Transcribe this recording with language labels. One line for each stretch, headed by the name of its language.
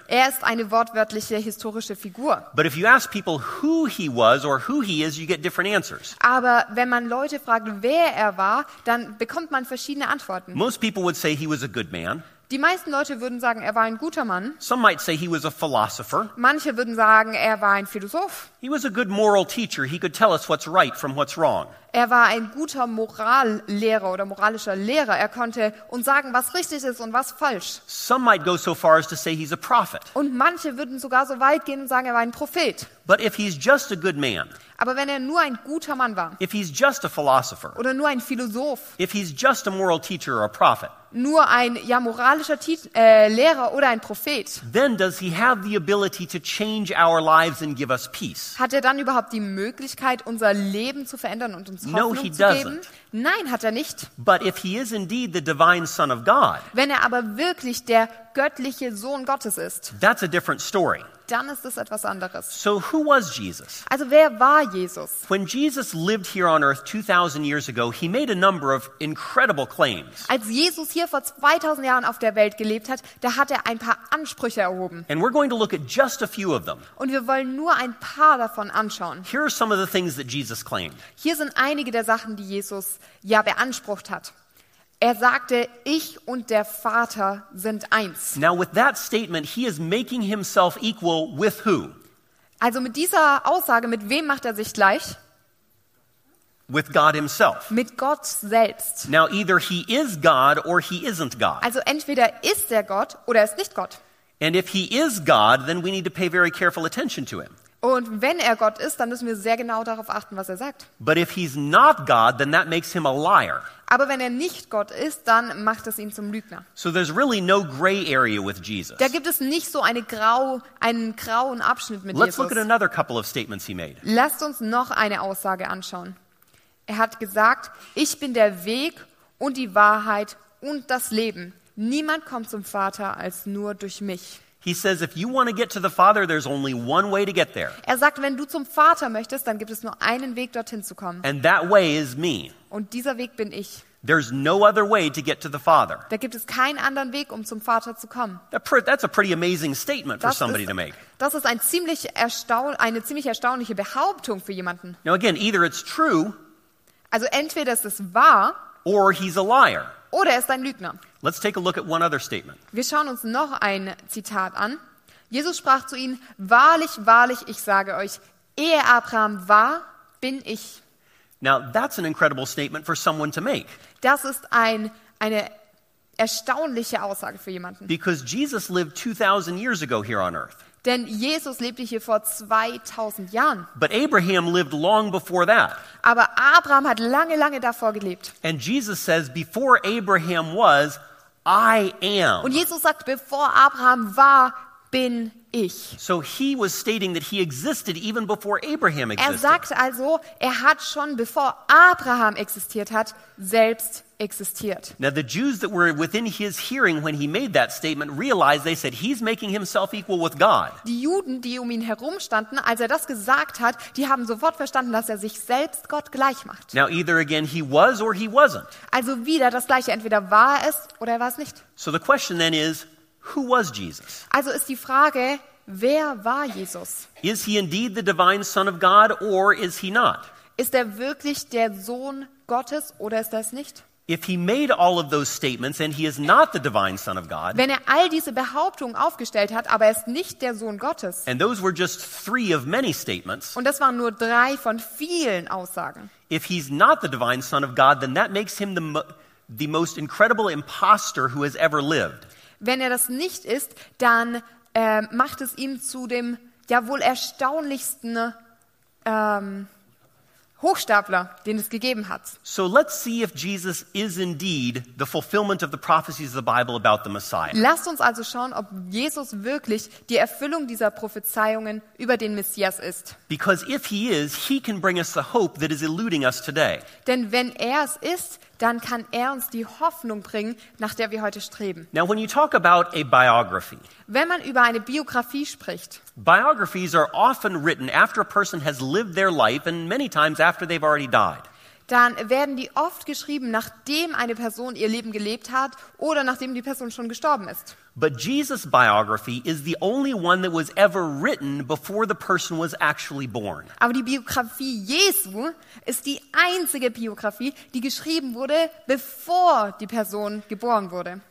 German: Er ist eine wortwörtliche historische Figur.
English: But if you ask people who he was or who he is, you get different answers.
German: Aber wenn man Leute fragt, wer er war, dann bekommt man verschiedene Antworten.
English: Most people would say he was a good man.
German: Die meisten Leute würden sagen, er war ein guter Mann.
English: Some might say he was a philosopher.
German: Manche würden sagen, er war ein Philosoph.
English: He was a good moral teacher. He could tell us what's right from what's wrong.
German: Er war ein guter Morallehrer oder moralischer Lehrer. Er konnte uns sagen, was richtig ist und was falsch.
English: Some might go so far as to say he's a prophet.
German: Und manche würden sogar so weit gehen und sagen, er war ein Prophet.
English: But if he's just a good man.
German: Aber wenn er nur ein guter Mann war.
English: If he's just a philosopher.
German: Oder nur ein Philosoph.
English: If he's just a moral teacher or a prophet.
German: Nur ein moralischer Lehrer oder ein Prophet.
English: Then does he have the ability to change our lives and give us peace?
German: Hat er dann überhaupt die Möglichkeit, unser Leben zu verändern und uns Hoffnung
English: no,
German: zu
English: doesn't.
German: Geben? Nein, hat er nicht.
English: But if he is indeed the divine son of God.
German: Wenn er aber wirklich der göttliche Sohn Gottes ist.
English: That's a different story.
German: Dann ist es etwas anderes.
English: So who was Jesus?
German: Also wer war Jesus?
English: When Jesus lived here on earth 2000 years ago, he made a number of incredible claims.
German: Als Jesus hier vor 2000 Jahren auf der Welt gelebt hat, da hat er ein paar Ansprüche erhoben.
English: And we're going to look at just a few of them.
German: Und wir wollen nur ein paar davon anschauen.
English: Here are some of the things that Jesus claimed.
German: Hier sind einige der Sachen, die Jesus ja beansprucht hat. Er sagte, ich und der Vater sind eins.
English: Now with that statement, he is making himself equal with who?
German: Also mit dieser Aussage, mit wem macht er sich gleich?
English: With God himself.
German: Mit Gott selbst.
English: Now either he is God or he isn't God.
German: Also entweder ist er Gott oder er ist nicht Gott.
English: And if he is God, then we need to pay very careful attention to him.
German: Und wenn er Gott ist, dann müssen wir sehr genau darauf achten, was er sagt.
English: But if he's not God, then that makes him a liar.
German: Aber wenn er nicht Gott ist, dann macht es ihn zum Lügner.
English: So there's really no gray area with Jesus.
German: Da gibt es nicht so einen grauen Abschnitt mit
English: Let's
German: Jesus.
English: Look at another couple of statements he made.
German: Lasst uns noch eine Aussage anschauen. Er hat gesagt, ich bin der Weg und die Wahrheit und das Leben. Niemand kommt zum Vater als nur durch mich.
English: He says, if you want to get to the Father, there's only one way to get there.
German: Er sagt, wenn du zum Vater möchtest, dann gibt es nur einen Weg, dorthin zu kommen.
English: And that way is me.
German: Und dieser Weg bin ich.
English: There's no other way to get to the Father.
German: Da gibt es keinen anderen Weg, um zum Vater zu kommen.
English: That's a pretty amazing statement for somebody to make.
German: Das ist eine ziemlich erstaunliche Behauptung für jemanden.
English: Now again, either it's true.
German: Also entweder ist es wahr.
English: Or he's a liar.
German: Oder er ist ein Lügner.
English: Let's take a look at one other statement.
German: Wir schauen uns noch ein Zitat an. Jesus sprach zu ihnen, wahrlich, wahrlich, ich sage euch, ehe Abraham war, bin ich.
English: Now that's an incredible statement for someone to make.
German: Das ist eine erstaunliche Aussage für jemanden.
English: Because Jesus lived 2000 years ago here on earth.
German: Denn Jesus lebte hier vor 2000 Jahren.
English: But Abraham lived long before that.
German: Aber Abraham hat lange, lange davor gelebt.
English: And Jesus says, before Abraham was, I am.
German: Und Jesus sagt, bevor Abraham war, bin ich.
English: So he was stating that he existed even before Abraham existed.
German: Er sagt also, er hat schon bevor Abraham existiert hat, selbst existiert.
English: Now the Jews that were within his hearing when he made that statement realized, they said, he's making himself equal with God.
German: Die Juden, die um ihn herum standen, als er das gesagt hat, die haben sofort verstanden, dass er sich selbst Gott gleich macht.
English: Now either again he was or he wasn't.
German: Also wieder das gleiche, entweder war es oder er war es nicht.
English: So the question then is, who was Jesus?
German: Also ist die Frage, wer war Jesus?
English: Is he indeed the divine son of God or is he not?
German: Ist er wirklich der Sohn Gottes oder ist er es nicht?
English: If he made all of those statements and he is not the divine son of God.
German: Wenn er all diese Behauptungen aufgestellt hat, aber er ist nicht der Sohn Gottes.
English: And those were just three of many statements.
German: Und das waren nur drei von vielen Aussagen.
English: If he's not the divine son of God, then that makes him the most incredible imposter who has ever lived.
German: Wenn er das nicht ist, dann macht es ihm zu dem ja wohl erstaunlichsten Hochstapler, den es gegeben hat.
English: So let's see if Jesus is indeed the fulfillment of the prophecies of the Bible about the Messiah.
German: Lasst uns also schauen, ob Jesus wirklich die Erfüllung dieser Prophezeiungen über den Messias ist.
English: Because if he is, he can bring us the hope that is eluding us today.
German: Denn wenn er es ist, dann kann er uns die Hoffnung bringen, nach der wir heute streben.
English: Now when you talk about a biography.
German: Wenn man über eine Biografie spricht.
English: Biographies are often written after a person has lived their life and many times after they've already died.
German: Dann werden die oft geschrieben, nachdem eine Person ihr Leben gelebt hat oder nachdem die Person schon gestorben ist.
English: But Jesus' biography is the only one that was ever written before the person was actually born.
German: Aber die Biografie Jesu ist die einzige Biografie, die geschrieben wurde, bevor die Person geboren wurde.